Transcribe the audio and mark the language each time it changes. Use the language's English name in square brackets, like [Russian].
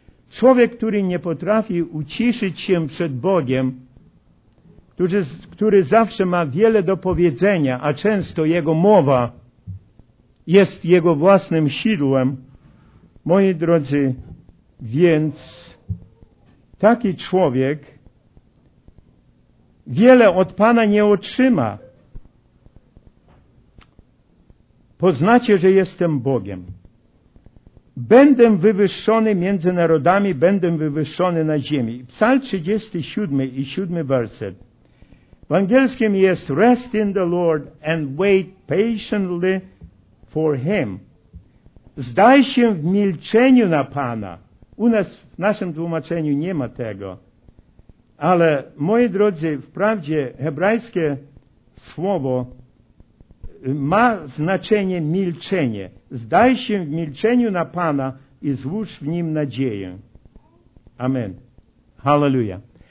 [Polish] Człowiek, który nie potrafi uciszyć się przed Bogiem, który zawsze ma wiele do powiedzenia, a często jego mowa jest jego własnym sidłem, moi drodzy, więc taki człowiek wiele od Pana nie otrzyma. Poznacie, że jestem Bogiem. Będę wywyższony między narodami, będę wywyższony na ziemi. Psalm 37 i 7 werset. W angielskim jest: [English] rest in the Lord and wait patiently for Him. [Polish] Zdaj się w milczeniu na Pana. U nas w naszym tłumaczeniu nie ma tego. Ale, moi drodzy, wprawdzie hebrajskie słowo ma znaczenie milczenie. Zdaj się w milczeniu na Pana i złóż w Nim nadzieję. Amen. Halleluja.